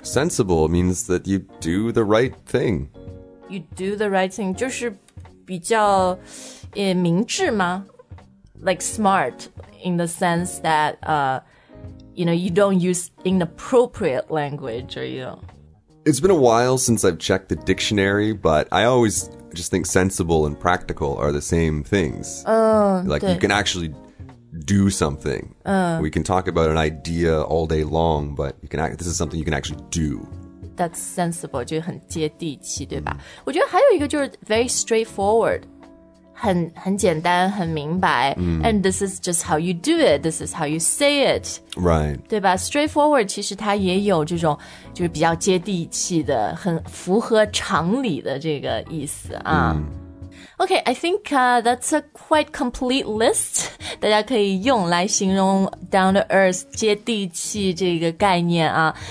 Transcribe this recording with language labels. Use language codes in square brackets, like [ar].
[en] Sensible means that you do the right thing. You do the right thing, [zh] 就是比较明智吗 [en] Like smart. In the sense that, you know, you don't use inappropriate language, or you know, It's been a while since I've checked the dictionary, but I always just think sensible and practical are the same things. Like, you can actually do something. We can talk about an idea all day long, but this is something you can actually do. That's sensible, [zh] 就很接地气，对吧？我觉得还有一个就是 [en] very straightforward. [zh] 很简单很明白、 [en] And this is just how you do it. This is how you say it. Right. [zh] 对吧 Straightforward 其实它也有这种就是比较接地气的很符合常理的这个意思啊、 [en] Okay, I think、that's a quite complete list. [zh] 大家可以用来形容 down to earth, 接地气这个概念啊。